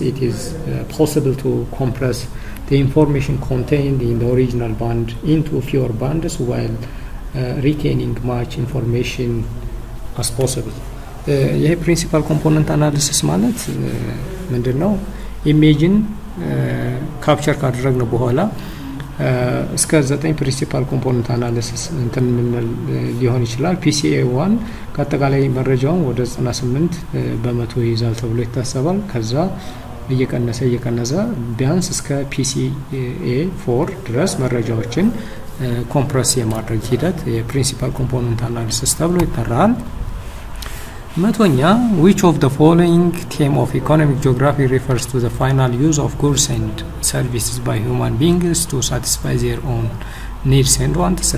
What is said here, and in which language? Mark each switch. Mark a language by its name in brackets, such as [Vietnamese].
[English] It is possible to compress the information contained in the original band into fewer bands while retaining much information as possible. [Amharic] Yeah, principal component analysis ማለት ምንድነው? Imagine ካፕቸር ካደረግን በኋላ እስከ 9 principal component analysis እንትን ምንል ሊሆን ይችላል። PCA1 ከአጠቃላይ መረጃው ወደ 98% ይይዛል ተብሎ ይታሰባል። ከዛ እየቀነሰ እየቀነሰ ቢያንስ እስከ PCA4 ድረስ መረጃዎችን ኮምፕረስ የማድረግ ሂደት የፕሪንሲፓል ኮምፖነንት አናሊሲስ ተብሎ ይጠራል። መቶኛ [English] which of the following theme of economic geography refers to the final use of goods and services by human beings to satisfy their own needs and wants?